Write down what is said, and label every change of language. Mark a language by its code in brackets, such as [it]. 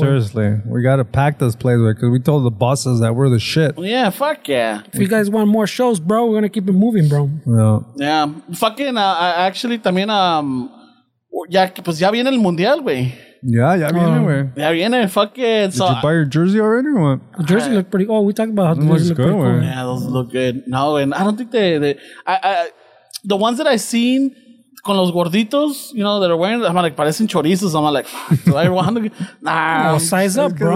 [en] Seriously, we got to pack this place because we told the bosses that we're the shit. Yeah, fuck yeah. If you guys want more shows, bro, we're going to keep it moving, bro. Yeah. Yeah. [es] Fucking, actually, también, ya, pues ya viene el mundial, güey. [en] Yeah, yeah, anyway. Yeah, yeah, fuck it. Did so, you buy your jersey already or what? The jersey looked pretty. Oh, we talked about how the jersey looked pretty cool. Yeah, those look good. No, and I don't think the ones that I seen [es] con los gorditos, [en] you know, that are wearing, I'm like, [es] parecen chorizos. [en] I'm like, do I want to? Nah. No, size up, bro.